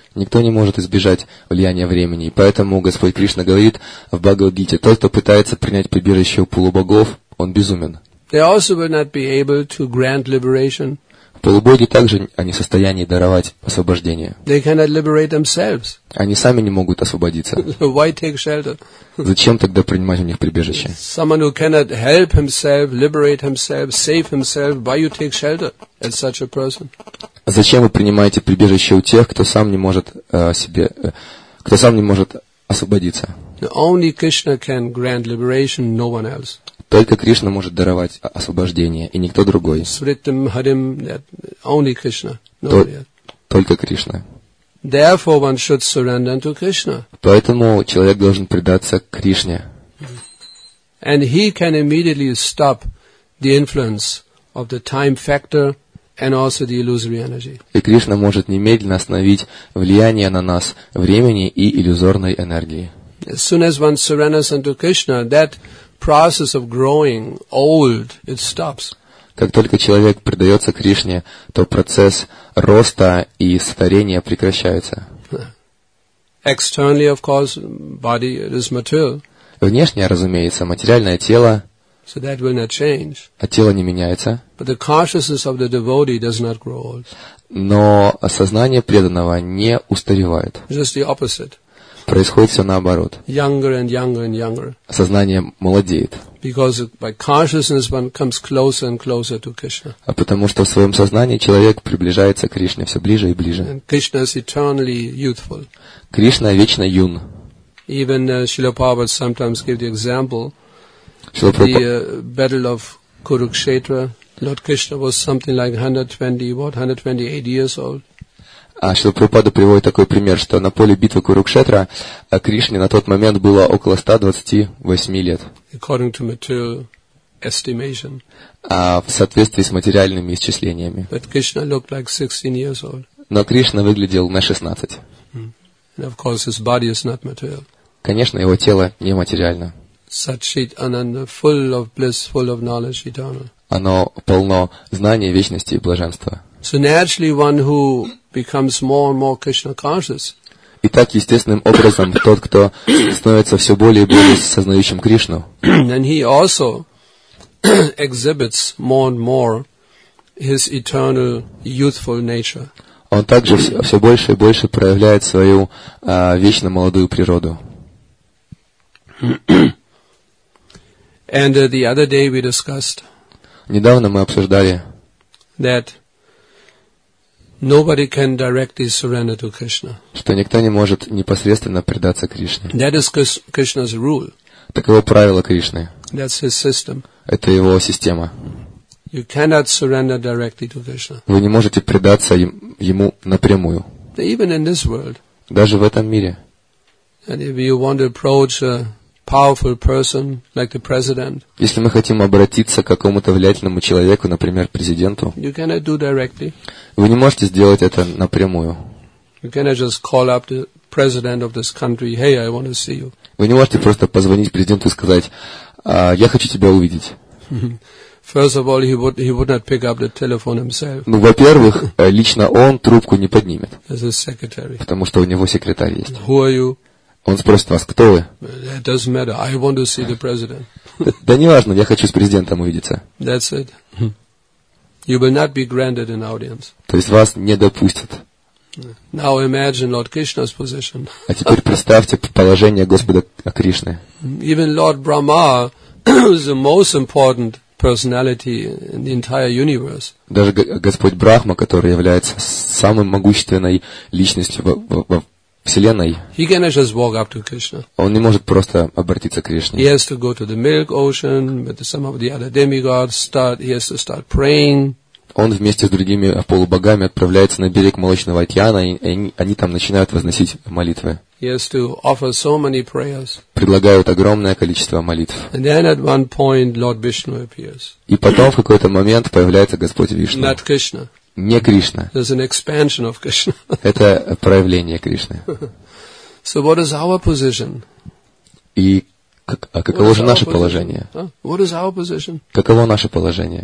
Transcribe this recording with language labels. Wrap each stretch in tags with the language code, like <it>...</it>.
<ru>Никто не может избежать влияния времени, и поэтому Господь Кришна говорит в Бхагавад-гите, тот, кто пытается принять прибежище у полубогов, он безумен.</ru> <en>They also will not be able to grant liberation.</en> <ru>Полубоги также не в состоянии даровать освобождение.</ru> <en>They cannot liberate themselves.</en> <ru>Они сами не могут освободиться.</ru> <en>Why take shelter?</en> <ru>Зачем тогда принимать у них прибежище?</ru> <en>Someone who cannot help himself, liberate himself, save himself, why you take shelter as such a person?</en> <ru>Зачем вы принимаете прибежище у тех, кто сам не может кто сам не может освободиться?</ru> <en>Only Krishna can grant liberation, no one else.</en> <ru>Только Кришна может даровать освобождение, и никто другой.</ru> <en>Sritim, harim, only Krishna,</en> <ru>только Кришна.</ru> <en>Therefore one should surrender unto Krishna.</en> <ru>Поэтому человек должен предаться Кришне.</ru> <en>And he can immediately stop the influence of the time factor and also the illusory energy.</en> <ru>И Кришна может немедленно остановить влияние на нас времени и иллюзорной энергии.</ru> <en>As soon as one surrenders unto Krishna, that process of growing old, it stops.</en> <ru>Как только человек предается Кришне, то процесс роста и старения прекращается.</ru> <en>Externally, of course, body is material.</en> <ru>Внешне, разумеется, материальное тело.</ru> <en>So that will not change.</en> <ru>А тело не меняется.</ru> <en>But the consciousness of the devotee does not grow old.</en> <ru>Но сознание преданного не устаревает.</ru> <en>Just the opposite.</en> <ru>Происходит все наоборот.</ru> <en>Younger and younger and younger.</en> <ru>Сознание молодеет.</ru> <en>Because by consciousness one comes closer and closer to Krishna.</en> <ru>А потому что в своем сознании человек приближается к Кришне все ближе и ближе.</ru> <en>And Krishna is eternally youthful.</en> <ru>Кришна вечно юн.</ru> <en>Even Srila Prabhupada sometimes gives the example. The battle of Kurukshetra. Lord Krishna was something like 128 years old.</en> <ru>А Шрила Прабхупада приводит такой пример, что на поле битвы Курукшетра Кришне на тот момент было около 128 лет.</ru> <en>According to material estimation.</en> <ru>А в соответствии с материальными исчислениями.</ru> <en>But Krishna looked like 16 years old.</en> <ru>Но Кришна выглядел на 16.</ru> <en>And of course his body is not material.</en> <ru>Конечно, его тело не материально.</ru> <en>Satchit Ananda, full of bliss, full of knowledge eternal.</en> <ru>Оно полно знания, вечности и блаженства.</ru> <en>So naturally one who becomes more and more Krishna conscious.</en> <ru>Итак, естественным образом тот, кто становится все более и более сознающим Кришну,</ru> <en>then he also exhibits more and more his eternal youthful nature.</en> <ru>Он также все больше и больше проявляет свою вечно молодую природу.</ru> <en>And the other day we discussed.</en> <ru>Недавно мы обсуждали</ru> <en>that. Nobody can directly surrender to Krishna.</en> <ru>Что никто не может непосредственно предаться Кришне.</ru> <en>That is Krishna's rule.</en> <ru>Таково правило Кришны.</ru> <en>That's his system.</en> <ru>Это его система.</ru> <en>You cannot surrender directly to Krishna.</en> <ru>Вы не можете предаться ему напрямую.</ru> <en>Even in this world.</en> <ru>Даже в этом мире.</ru> <en>And if you want to approach a powerful person like the president.</en> <ru>Если мы хотим обратиться к какому-то влиятельному человеку, например, президенту.</ru> <en>You cannot do directly.</en> <ru>Вы не можете сделать это напрямую.</ru> <en>You cannot just call up the president of this country. Hey, I want to see you.</en> <ru>Вы не можете просто позвонить президенту и сказать: я хочу тебя увидеть.</ru> <en>First of all, he would not pick up the telephone himself.</en> <ru>Ну, во-первых, лично он трубку не поднимет.</ru> <en>As a secretary.</en> <ru>Потому что у него секретарь есть.</ru> <en>Who are you?</en> <ru>Он спросит вас, кто вы?</ru> <en>It doesn't matter. I want to see the president.</en> <ru>Да не важно, я хочу с президентом увидеться.</ru> <en>That's it. You will not be granted an audience.</en> <ru>То есть вас не допустят.</ru> <en>Now imagine Lord Krishna's position.</en> <ru>А теперь представьте положение Господа Кришны.</ru> <en>Even Lord Brahma is the most important personality in the entire universe.</en> <ru>Даже Господь Брахма, который является самым могущественной личностью во Вселенной.</ru> <en>He cannot just walk up to Krishna.</en> <ru>Он не может просто обратиться к Кришне.</ru> <en>He has to go to the milk ocean with some of the other demigods. He has to start praying.</en> <ru>Он вместе с другими полубогами отправляется на берег молочного океана, и они там начинают возносить молитвы.</ru> <en>He has to offer so many prayers.</en> <ru>Предлагают огромное количество молитв.</ru> <en>And then at one point Lord Vishnu appears.</en> <ru>И потом в какой-то момент появляется Господь Вишну.</ru> <en>Not Krishna.</en> <ru>Не Кришна.</ru> <en>There's an expansion of Krishna.</en> <ru>Это проявление Кришны.</ru> <en>So what is our position?</en> <ru>И каково же наше положение?</ru> <en>What is our position?</en> <ru>Каково наше положение?</ru>